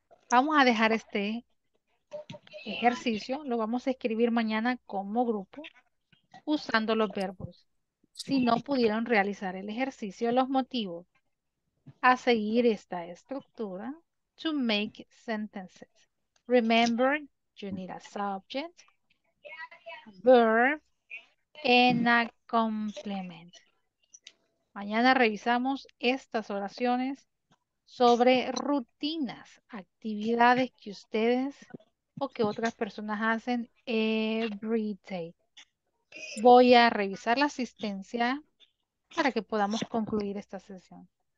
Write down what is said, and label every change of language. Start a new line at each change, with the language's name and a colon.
Spanish: Vamos a dejar este ejercicio. Lo vamos a escribir mañana como grupo, usando los verbos. Si no pudieron realizar el ejercicio, los motivos a seguir esta estructura,
English: to make sentences. Remember, you need a subject, verb, and a complement.
Spanish: Mañana revisamos estas oraciones sobre rutinas, actividades que ustedes o que otras personas hacen
English: every day.
Spanish: Voy a revisar la asistencia para que podamos concluir esta sesión.